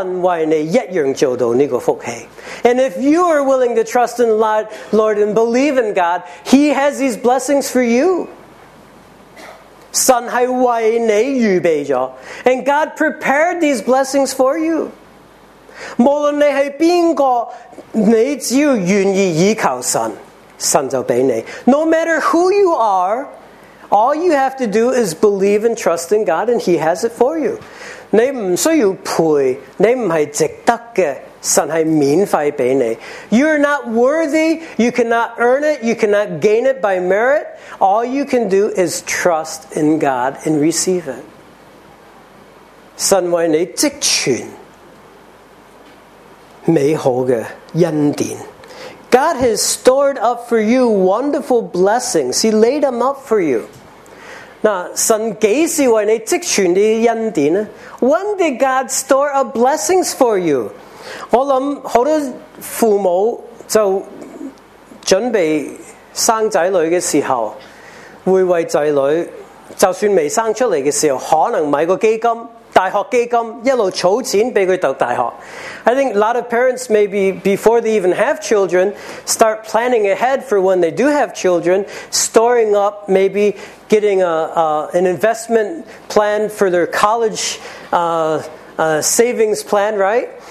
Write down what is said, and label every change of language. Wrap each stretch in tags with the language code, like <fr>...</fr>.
<zh>弟兄姊妹，这个是你。如果你愿意依靠神，你敬畏神，神为你一样做到这个福气。</zh> <en>And if you are willing to trust in the Lord and believe in God, He has these blessings for you.</en> <zh>神是为你预备了,</zh> <en>and God prepared these blessings for you.</en> <zh>无论你是谁，你只要愿意依靠神，神就给你。</zh> <en>No matter who you are, all you have to do is believe and trust in God, and He has it for you.</en> <zh>你不需要配，你不是值得的，神是免费给你。</zh> <en>You are not worthy, you cannot earn it, you cannot gain it by merit. All you can do is trust in God and receive it.</en> <zh>神为你积存。美好的恩典.</zh> <en>God has stored up for you wonderful blessings. He laid them up for you.</en> <zh>那神几时为你积存的恩典?</zh> <en>When did God store up blessings for you?</en> <zh>我想很多父母就准备生子女的时候, 会为子女就算未生出来的时候, 可能买个基金, 大学基金, 一路储钱给他读大学。</zh> <en>I think a lot of parents, maybe before they even have children, start planning ahead for when they do have children, storing up, maybe getting an investment plan for their college savings plan, right?</en>